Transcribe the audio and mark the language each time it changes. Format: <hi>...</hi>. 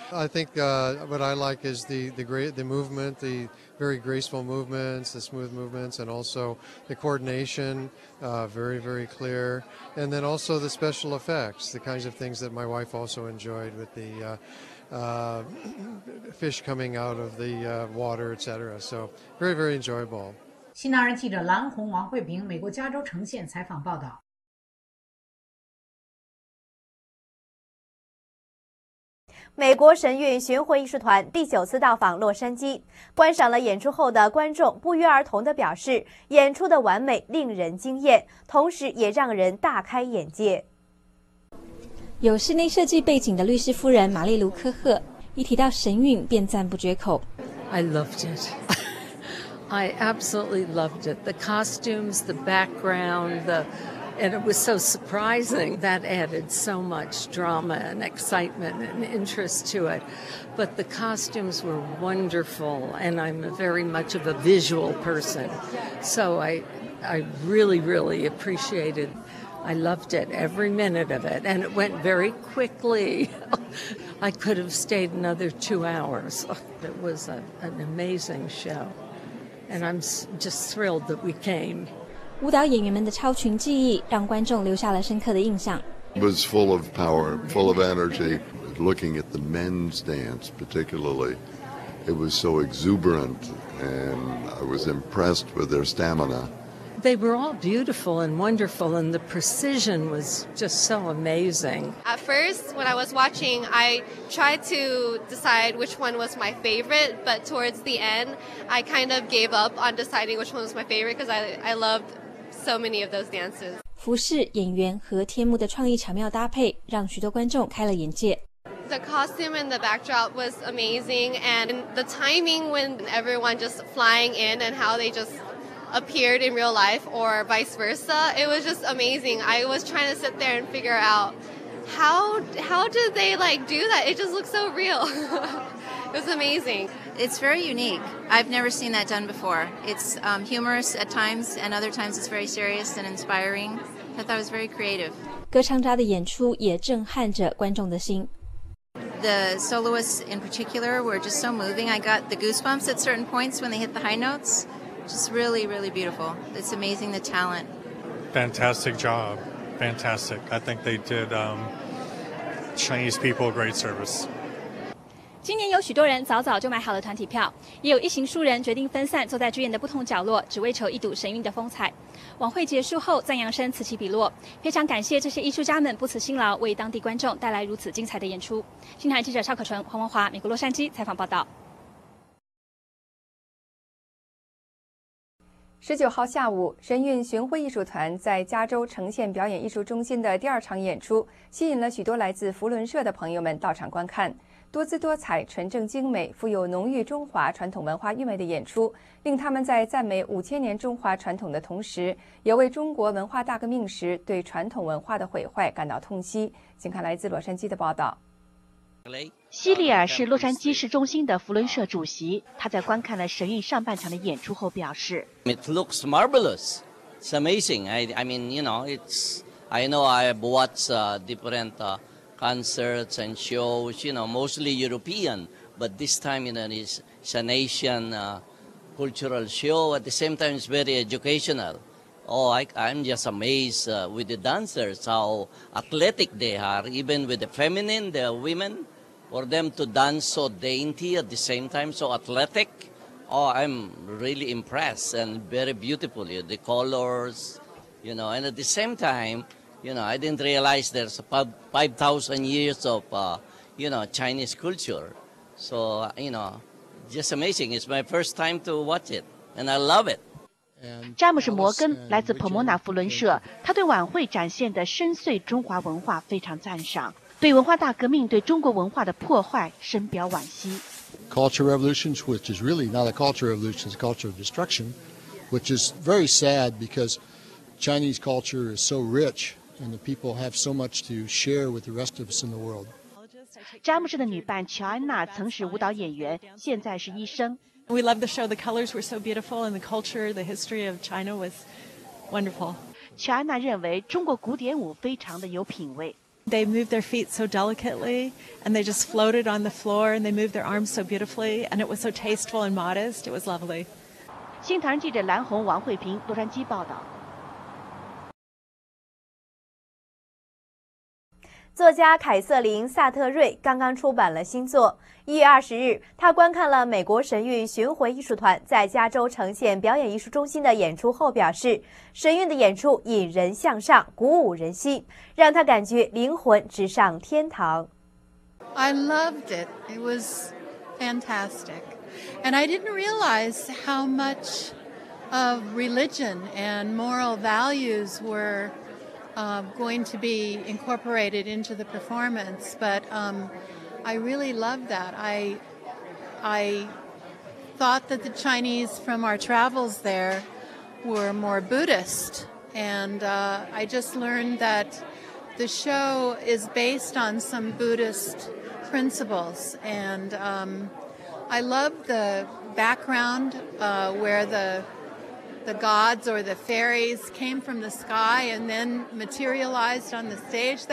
<en>I think what I like is the movement, the very graceful movements, the smooth movements, and also the coordination, very, very clear. And then also the special effects, the kinds of things that my wife also enjoyed with the fish coming out of the water, etc. So very, very enjoyable.</en> <zh>新唐人记者蓝红、王慧平，美国加州呈现采访报道。美国神韵巡回艺术团第九次到访洛杉矶，观赏了演出后的观众不约而同地表示，演出的完美令人惊艳，同时也让人大开眼界。有室内设计背景的律师夫人玛丽·卢科赫一提到神韵便赞不绝口。</zh> <en>I loved it. I absolutely loved it. The costumes, the background, and it was so surprising. That added so much drama and excitement and interest to it. But the costumes were wonderful, and I'm very much of a visual person. So I really, really appreciated it. I loved it, every minute of it, and it went very quickly. I could have stayed another 2 hours. It was an amazing show. And I'm just thrilled that we came.</en> <zh>舞蹈演员们的超群技艺让观众留下了深刻的印象。</zh> <en>It was full of power, full of energy. Looking at the men's dance particularly, it was so exuberant, and I was impressed with their stamina. They were all beautiful and wonderful, and the precision was just so amazing. At first, when I was watching, I tried to decide which one was my favorite, but towards the end, I kind of gave up on deciding which one was my favorite because I loved so many of those dances.</en> <zh>服饰、演员和天幕的创意巧妙搭配让许多观众开了眼界。</zh> <en>The costume and the backdrop was amazing, and the timing when everyone just flying in and how they just... appeared in real life or vice versa. It was just amazing. I was trying to sit there and figure out how did they like do that? It just looked so real. It was amazing. It's very unique. I've never seen that done before. It's humorous at times and other times it's very serious and inspiring. I thought it was very creative.</en> <zh>歌唱家的演出也震撼着观众的心。</zh> <en>The soloists in particular were just so moving. I got the goosebumps at certain points when they hit the high notes. Just really, really beautiful. It's amazing the talent. Fantastic job. Fantastic. I think they did Chinese people a great service.</en> <zh>今年有许多人早早就买好了团体票，也有一行数人决定分散坐在剧院的不同角落，只为求一睹神韵的风采。晚会结束后，赞扬声此起彼落，非常感谢这些艺术家们不辞辛劳，为当地观众带来如此精彩的演出。新唐人记者邵可纯、黄文华，美国洛杉矶采访报道。 19号下午，神韵巡回艺术团在加州呈现表演艺术中心的第二场演出，吸引了许多来自佛伦社的朋友们到场观看。多姿多彩、纯正精美、富有浓郁中华传统文化韵味的演出，令他们在赞美5000年中华传统的同时，也为中国文化大革命时对传统文化的毁坏感到痛惜。请看来自洛杉矶的报道。希利尔是洛杉矶市中心的福伦社主席，他在观看了神韵上半场的演出后表示</zh> <en>It looks marvelous. It's amazing. I mean, you know, it's I know I have watched different concerts and shows, you know, mostly European, but this time, you know, it's an Asian cultural show. At the same time, it's very educational. Oh, I'm just amazed with the dancers, how athletic they are, even with the feminine, the women, for them to dance so dainty at the same time, so athletic. Oh, I'm really impressed and very beautiful, you know, the colors, you know, and at the same time, you know, I didn't realize there's about 5,000 years of, you know, Chinese culture. So, you know, just amazing. It's my first time to watch it, and I love it.</en> <zh>詹姆斯·摩根来自彭莫纳福伦社，他对晚会展现的深邃中华文化非常赞赏，对文化大革命对中国文化的破坏深表惋惜。</zh> <en>Culture revolutions, which is really not a culture revolution, it's a culture of destruction, which is very sad because Chinese culture is so rich and the people have so much to share with the rest of us in the world.</en> <zh>詹姆斯的女伴乔安娜曾是舞蹈演员，现在是医生。</zh> <en>We love the show. The colors were so beautiful, and the culture, the history of China was wonderful.</en> <zh>乔安娜认为中国古典舞非常的有品味。</zh> <en>They moved their feet so delicately, and they just floated on the floor, and they moved their arms so beautifully, and it was so tasteful and modest. It was lovely.</en> <zh>新唐人记者蓝红、王慧平，洛杉矶报道。作家凯瑟琳·萨特瑞刚刚出版了新作。 1月20日，他观看了美国神韵巡回艺术团在加州呈现表演艺术中心的演出后表示，神韵的演出引人向上，鼓舞人心，让他感觉灵魂直上天堂。</zh> <en>I loved it. It was fantastic. And I didn't realize how much of religion and moral values were going to be incorporated into the performance, but I really loved that. I thought that the Chinese from our travels there were more Buddhist, and I just learned that the show is based on some Buddhist principles, and I love the background where the gods or the fairies came from the sky and then materialized on the stage.</en>